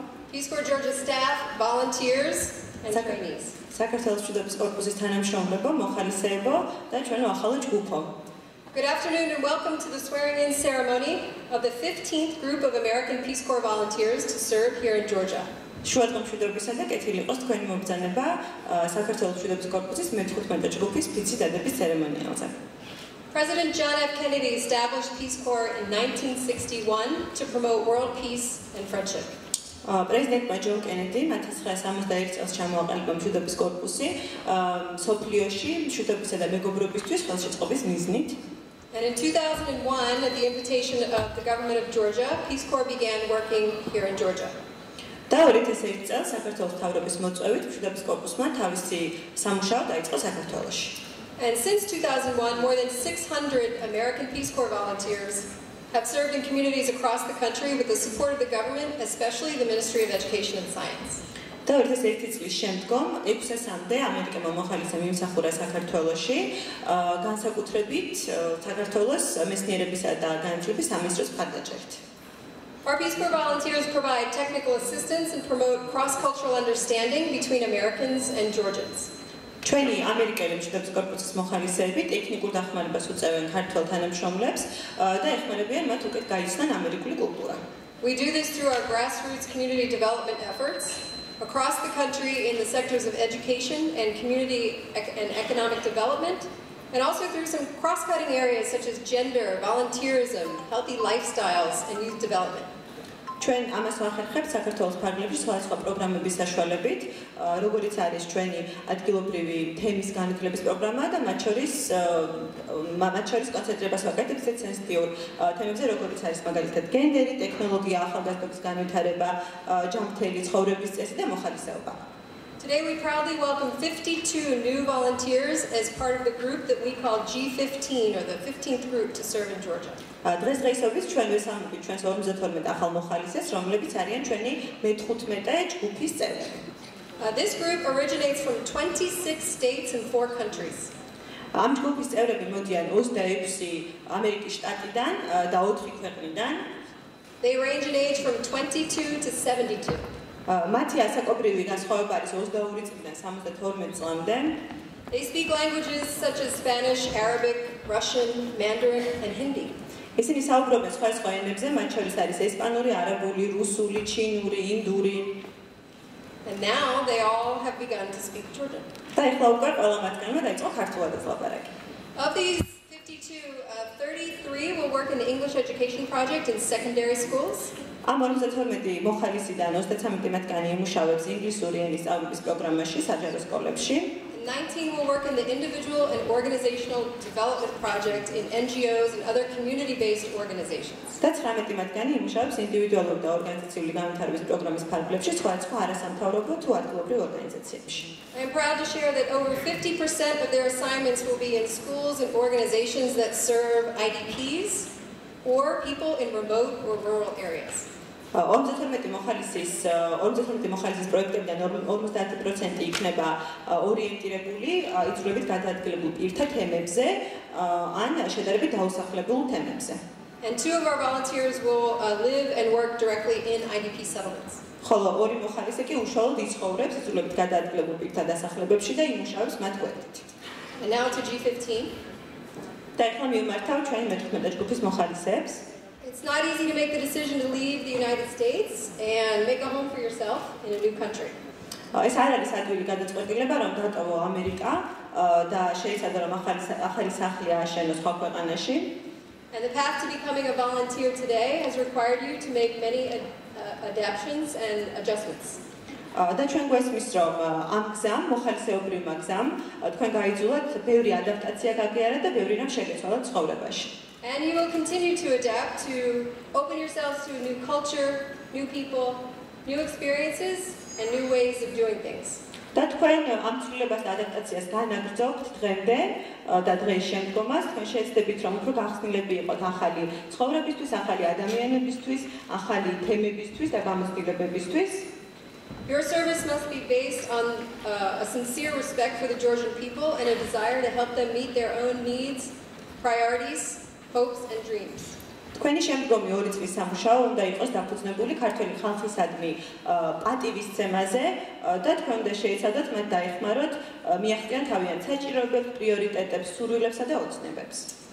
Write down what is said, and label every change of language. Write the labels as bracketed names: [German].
[English] Peace Corps Georgia staff, volunteers, and trainees. Good afternoon and welcome to the swearing-in ceremony of the 15th Group of American Peace Corps volunteers to serve here in Georgia. [Georgian] შუადღე მშვიდობისა და კეთილი იყოს თქვენი მობრძანება საქართველოს მშვიდობის კორპუსის მე-15 ჯგუფის ფიცი დადების ცერემონიალზე. [English] President John F. Kennedy established Peace Corps in 1961 to promote world peace and friendship. [Georgian] President John Kennedy, 1961 წელს ჩამოაყალიბა მშვიდობის კორპუსი, სოფლიოში მშვიდობისა და მეგობრობისთვის ხელშეწყობის მიზნით. [English] And in 2001, at the invitation of the government of Georgia, Peace Corps began working here in Georgia. [Georgian] და 2001 წელს საქართველოს მთავრობის მოწვევით მშვიდობის კორპუსმა თავისი სამუშაო დაიწყო საქართველოში. [English] And since 2001, more than 600 American Peace Corps volunteers have served in communities across the country with the support of the government, especially the Ministry of Education and Science. [Georgian] და 2001 წლის შემდგომ 600-მდე ამერიკელმა მოხალისმა მიმსახურა საქართველოში, განსაკუთრებით საქართველოს მეცნიერებისა და განათლების სამინისტროს მხარდაჭერით. [English] Our Peace Corps volunteers provide technical assistance and promote cross-cultural understanding between Americans and Georgians. [Georgian] ჩვენი ამერიკელი მშვიდობის კორპუსის მოხალისეები ტექნიკურ დახმარებას უწევენ ქართველ თანამშრომლებს და ეხმარებიან მათ უკეთ გაიცნონ ამერიკული კულტურა. [English] We do this through our grassroots community development efforts across the country in the sectors of education and community and economic development, and also through some cross-cutting areas such as gender, volunteerism, healthy lifestyles, and youth development. [Georgian] ჩვენ ამას ვახერხებთ საქართველოს ფარგლებში სხვადასხვა პროგრამების საშუალებით, როგორიც არის ჩვენი ადგილობრივი თემის განათლების პროგრამა და მათ შორის კონცენტრებას ვაკეთებთ ისეთ სენსიტიურ თემებზე, როგორიც არის მაგალითად გენდერი, ტექნოლოგია, ახალგაზრდობის განვითარება, ჯანმრთელი ცხოვრების წესი და მოხალისეობა. [English] Today we proudly welcome 52 new volunteers as part of the group that we call G15 or the 15th group to serve in Georgia. [Georgian] დღესდღეობით ჩვენ ვესალმებით ჩვენს 52 ახალ მოხალისეს, რომლებიც არიან ჩვენი მე-15 ჯგუფის წევრები. [English] This group originates from 26 states and 4 countries. [Georgian] ამ ჯგუფის წევრები მოდიან 26 ამერიკის შტატიდან და 4 ქვეყნიდან. [English] They range in age from 22 to 72. [Georgian] მათი ასაკობრივი განსხვავება არის 22 წლიდან 72 წლამდე. [English] They speak languages such as Spanish, Arabic, Russian, Mandarin and Hindi. [Georgian] ისინი საუბრობენ სხვადასხვა ენებზე, მათ შორის არის ესპანური, არაბული, რუსული, ჩინური, ინდური. [English] And now they all have begun to speak Georgian. [Georgian] და ახლა უკვე ყველა მათგანმა დაიწყო ქართულადაც ლაპარაკი. [English] Of these 52, 33 will work in the English education project in secondary schools. [Georgian] ამ 52 მოხალისიდან 33 მათგანი იმუშავებს ინგლისური ენის სწავლების პროგრამაში საჯარო სკოლებში. [English] 19 will work in the individual and organizational development project in NGOs and other community-based organizations. [Georgian] და 19 მათგანი იმუშავებს ინდივიდუალურ და ორგანიზაციული განვითარების პროგრამის ფარგლებში სხვადასხვა არასამთავრობო თუ ადგილობრივ ორგანიზაციებში. [English] I am proud to share that over 50% of their assignments will be in schools and organizations that serve IDPs or people in remote or rural areas. [Georgian] 52 მოხალისის პროექტებიდან 50% იქნება ორიენტირებული იწვლებით გადაადგილებულ პირთა თემებზე ან შედარებით დაუსახლებელ თემებზე. [English] And two of our volunteers will live and work directly in IDP settlements. [Georgian] ხოლო ორი მოხალისი კი უშუალოდ იცხოვრებს იწვლებით გადაადგილებულ პირთა დასახლებებში და იმუშავებს მათ გვერდით. [English] And now to G15. [Georgian] და ახლა მივმართავ ჩვენი მე-15 ჯგუფის მოხალისებს. [English] It's not easy to make the decision to leave the United States and make a home for yourself in a new country. [Georgian] ეს არის ადვილი გადაწყვეტილება, რომ დატოვო ამერიკა და შეიძლება რომ ახალი სახლი აშენო სხვა ქვეყანაში. [English] And the path to becoming a volunteer today has required you to make many adaptations and adjustments. [Georgian] და ჩვენ გვესმის, რომ ამ გზამ, მოხალისეობრივ გზამ, თქვენ გაიძულოთ ბევრი ადაპტაცია გაგიარათ და ბევრი რამ შეგეცვალათ ცხოვრებაში. [English] And you will continue to adapt, to open yourselves to a new culture, new people, new experiences, and new ways of doing things. [Georgian] და თქვენ ამ ცვლილებას და ადაპტაციას განაგრძობთ დღემდე და დღეის შემდგომას, თქვენ შეიძლებათ რომ უფრო გახსნილები იყოთ ახალი ცხოვრებისთვის, ახალი ადამიანებისთვის, ახალი თემებისთვის და გამოცდილებებისთვის. [English] Your service must be based on a sincere respect for the Georgian people and a desire to help them meet their own needs, priorities, hopes and dreams. [Georgian] თქვენი შემდგომი ორი წლის სამუშაო უნდა იყოს დაფუძნებული ქართველი ხალხისადმი პატივის ცემაზე და თქვენ უნდა შეიცადოთ მათ დაეხმაროთ მიაღწიონ თავიანთ საჭიროებებს, პრიორიტეტებს, სურვილებსა და ოცნებებს.